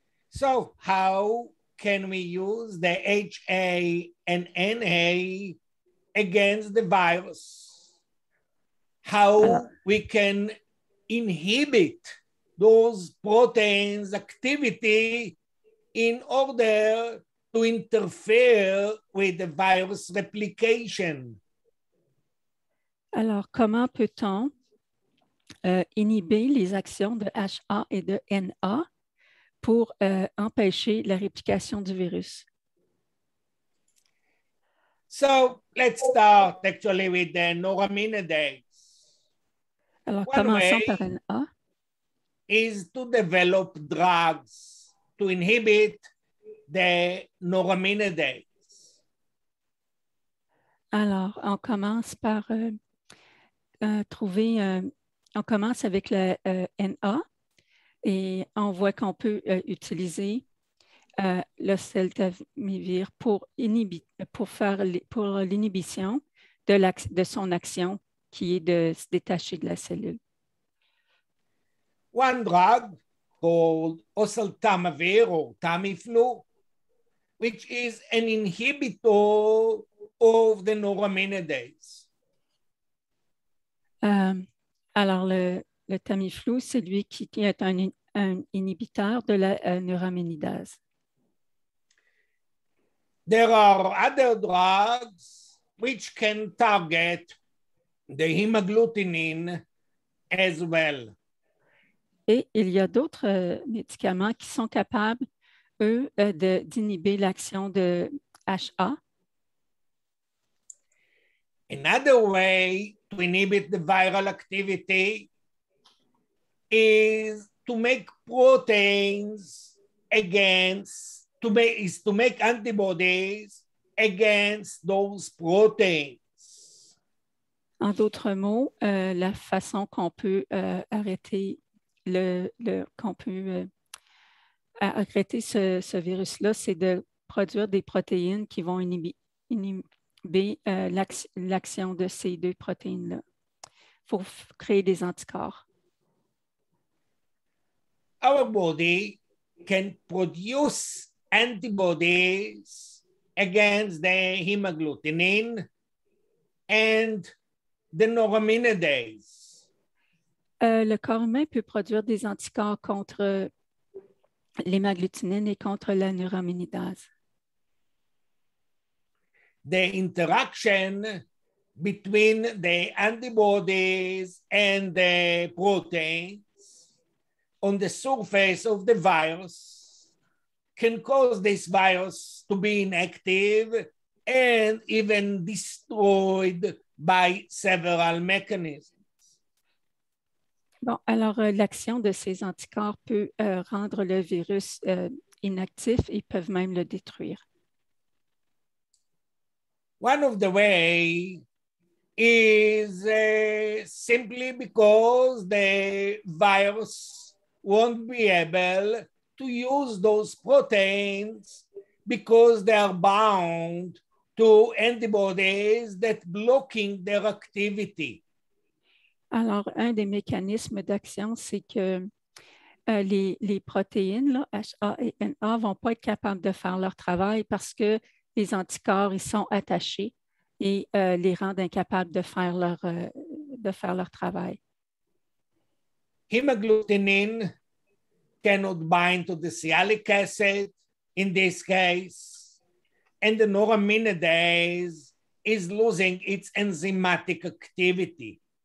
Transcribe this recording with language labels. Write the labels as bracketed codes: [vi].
[en] So, how can we use the HA and NA against the virus? How we can inhibit those proteins' activity in order to interfere with the virus replication? [fr] Alors, comment peut-on inhiber les actions de HA et de NA pour empêcher la réplication du virus? [en] So, let's start actually with the neuraminidase. [fr] Alors, commençons par NA. [en] Is to develop drugs to inhibit the neuraminidase. [fr] Alors, on commence par trouver, on commence avec le NA. Et on voit qu'on peut utiliser le celtamivir pour l'inhibition de son action qui est de se détacher de la cellule. [en] One drug called oseltamivir or Tamiflu, which is an inhibitor of the neuraminidase. [fr] Alors le Tamiflu, c'est lui qui est un inhibiteur de la neuraminidase. [en] There are other drugs which can target the hemagglutinin as well. [fr] Et il y a d'autres médicaments qui sont capables, eux, d'inhiber l'action de HA. [en] Another way to inhibit the viral activity is to make proteins against, to make antibodies against those proteins. [fr] En d'autres mots, la façon qu'on peut arrêter ce virus-là, c'est de produire des protéines qui vont inhiber l'action de ces deux protéines-là. Il faut créer des anticorps. [en] Our body can produce antibodies against the hemagglutinin and the neuraminidase. [fr] Le corps humain peut produire des anticorps contre l'hémagglutinine et contre la neuraminidase. [en] The interaction between the antibodies and the proteins on the surface of the virus can cause this virus to be inactive and even destroyed by several mechanisms. [fr] Bon, alors l'action de ces anticorps peut rendre le virus inactif et peuvent même le détruire. [en] One of the ways is simply because the virus won't be able to use those proteins because they are bound to antibodies that blocking their activity. [fr] Alors, un des mécanismes d'action, c'est que les protéines, là, HA et NA, ne vont pas être capables de faire leur travail parce que les anticorps y sont attachés et les rendent incapables de faire leur travail. [en] Hemagglutinin cannot bind to the sialic acid in this case, and the neuraminidase is losing its enzymatic activity.